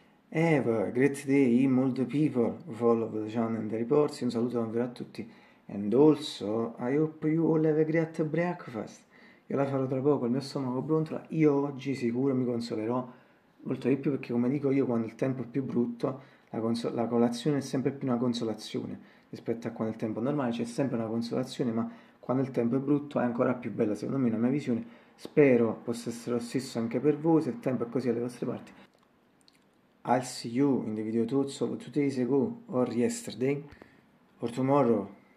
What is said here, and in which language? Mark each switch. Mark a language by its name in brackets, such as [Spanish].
[English] Have a great day, multiple people follow the channel and the reports. [Italian] Un saluto davvero a tutti. [English] And also, I hope you all have a great breakfast. [Italian] Io la farò tra poco, il mio stomaco brontola. Io oggi sicuro mi consolerò molto di più perché, come dico io, quando il tempo è più brutto, la colazione è sempre più una consolazione rispetto a quando il tempo è normale. C'è sempre una consolazione, ma quando il tempo è brutto è ancora più bella, secondo me, la mia visione. Spero possa essere lo stesso anche per voi, se il tempo è così alle vostre parti. [English] I'll see you in the video talks of 2 days ago, or yesterday, or tomorrow.